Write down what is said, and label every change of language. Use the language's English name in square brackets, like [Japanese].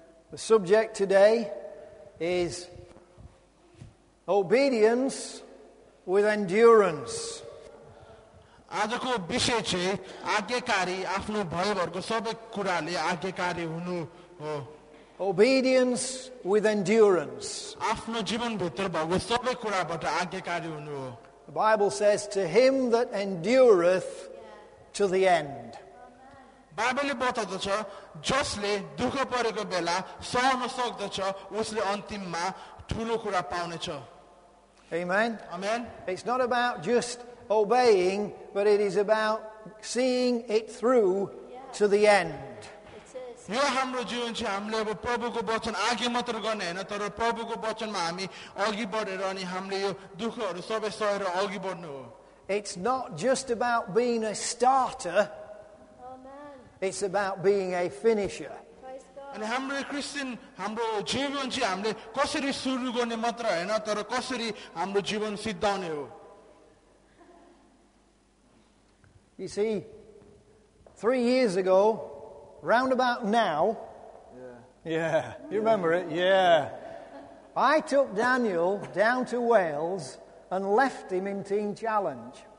[English] The subject today is obedience with endurance. [Nepali] आजको विषय चाहिँ आज्ञाकारी आफ्नो भाइहरुको सबै कुराले आज्ञाकारी हुनु हो. [English] Obedience with endurance. [Nepali] आफ्नो जीवनभित्र भएको सबै कुराबाट आज्ञाकारी हुनु हो. [English] The Bible says to him that endureth to the end. [Nepali] बाइबलले बताउँदछ जसले दुःख परेको बेला सहन सक्दछ उसले अन्तिममा ठूलो कुरा पाउनेछ. [English] Amen. Amen. It's not about just obeying, but it is about seeing it through to the end. [Nepali] यो हाम्रो जीवन चाहिँ हामीले अब प्रभुको वचन आगे मात्र गर्ने हैन तर प्रभुको वचनमा हामी अघि बढेर अनि हामीले यो दुःखहरु सबै सहेर अघि बढ्नु हो. [English] It's not just about being a starter. Amen. It's about being a finisher. [Nepali] अनि हाम्रो क्रिस्चियन हाम्रो जीवन चाहिँ हामीले कसरी सुरु गर्ने मात्र हैन तर कसरी हाम्रो जीवन सिद्धाउने हो. [English] You see, 3 years ago, round about now, remember it? Yeah. I took Daniel down to Wales and left him in Teen Challenge.